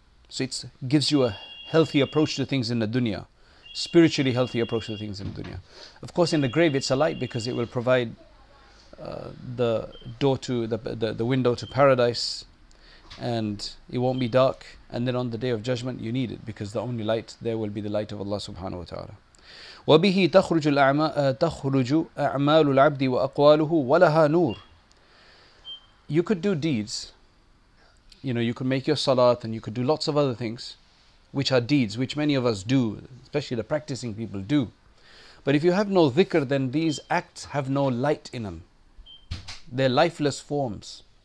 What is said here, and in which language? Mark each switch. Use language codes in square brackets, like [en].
[en] So it gives you a healthy approach to things in the dunya, spiritually healthy approach to things in the dunya. Of course, in the grave, it's a light because it will provide the door to the window to paradise, and it won't be dark. And then on the day of judgment, you need it because the only light there will be the light of Allah subhanahu wa ta'ala. [ar] وبه تخرج أعمال العبد وأقواله ولها نور. [en] You could do deeds, you know, you could make your salat and you could do lots of other things, which are deeds, which many of us do, especially the practicing people do. But if you have no dhikr, then these acts have no light in them. They're lifeless forms.